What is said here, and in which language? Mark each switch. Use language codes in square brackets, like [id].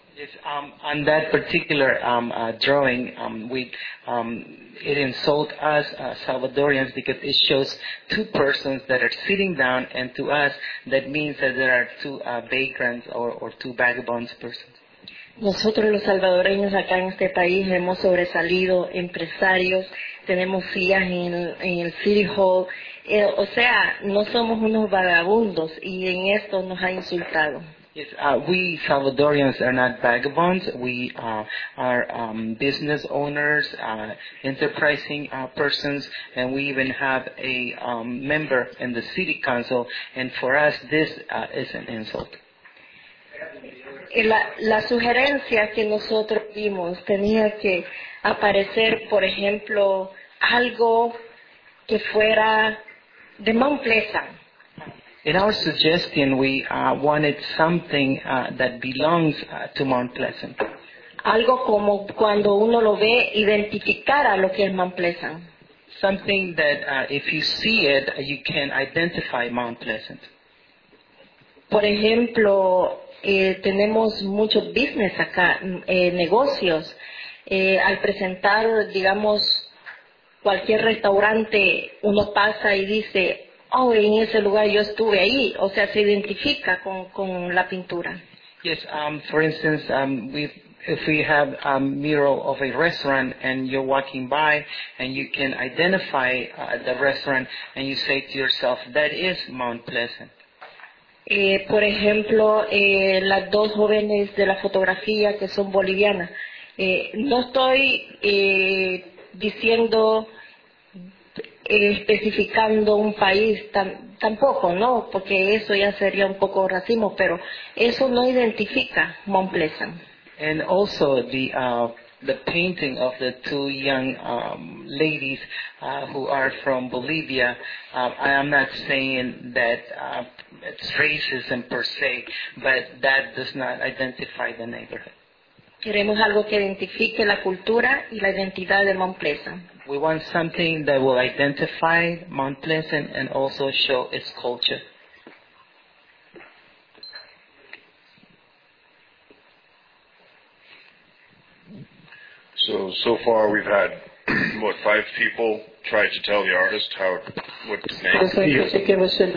[en] Yes, on that particular drawing, it insults us Salvadorians because it shows two persons that are sitting down, and to us that means that there are two vagrants or two vagabonds persons. [es] Nosotros los salvadoreños acá en este país hemos sobresalido, empresarios, tenemos sillas en el City Hall, o sea, no somos unos vagabundos, y en esto nos ha insultado. [en] Yes, we Salvadorians are not vagabonds. We are business owners, enterprising persons, and we even have a member in the city council. And for us, this is an insult. [es] La sugerencia que nosotros vimos tenía que aparecer, por ejemplo, algo que fuera de Mount Pleasant. [en] In our suggestion, we wanted something that belongs to Mount Pleasant. [es] Algo como cuando uno lo ve, identificara lo que es Mount Pleasant. [en] Something that if you see it, you can identify Mount Pleasant. [es] Por ejemplo, tenemos mucho business acá, negocios. Al presentar, digamos, cualquier restaurante, uno pasa y dice, oh, en ese lugar yo estuve ahí. O sea, se identifica con la pintura. [en] Yes, for instance, if we have a mural of a restaurant and you're walking by and you can identify the restaurant and you say to yourself, that is Mount Pleasant. [es] Por ejemplo, las dos jóvenes de la fotografía que son bolivianas. No estoy diciendo, especificando un país tampoco, ¿no? Porque eso ya sería un poco racismo, pero eso no identifica Mount Pleasant. [en] And also the painting of the two young ladies who are from Bolivia, I am not saying that it's racism per se, but that does not identify the neighborhood. [es] Queremos algo que identifique la cultura y la identidad de Mount Pleasant. [en] We want something that will identify Mount Pleasant and also show its culture. So far we've had, what, five people try to tell the artist what his name is.